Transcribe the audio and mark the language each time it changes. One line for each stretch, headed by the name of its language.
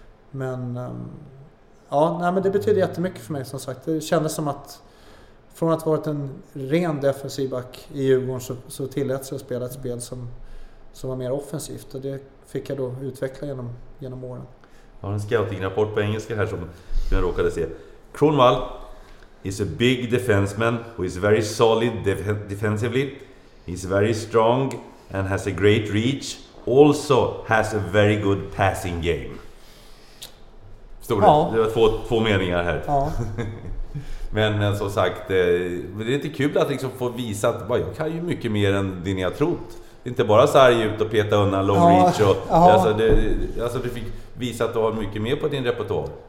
Swedish: Men ja, nej, men det betyder jättemycket för mig, som sagt. Det kändes som att från att ha varit en ren defensiv back i Djurgården så tilläts jag att spela ett spel som var mer offensivt. Och det fick jag då utveckla genom åren. Jag har en scouting-rapport på engelska här som jag råkade se.
English: Kronwall is a big defenseman who is very solid defensively. He's very strong and has a great reach. Also has a very good passing game.
Swedish: Stora. Ja. Det var två meningar här. Ja. men som sagt, det är lite kul att liksom få visa att jag kan ju mycket mer än det ni har trott. Det är inte bara så här ut och peta undan
English: long reach.
Swedish: Och, alltså du fick visa att du har mycket mer på din repertoar.